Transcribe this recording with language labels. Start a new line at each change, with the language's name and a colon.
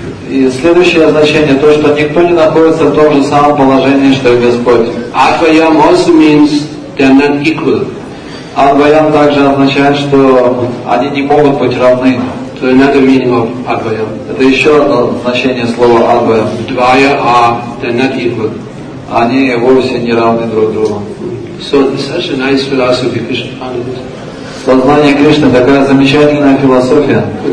Russian: И следующее значение, то, что никто не находится в том же самом положении, что и Господь.
English: Advayam also means they're not equal.
Russian: Advayam также означает, что они не могут быть равны.
English: So another meaning of Advayam.
Russian: Это еще одно значение слова Advayam.
English: Dvaya are, they're not equal.
Russian: Они вовсе не равны друг другу.
English: So it's such a nice philosophy Krishna found it.
Russian: Сознание Кришны – такая замечательная философия.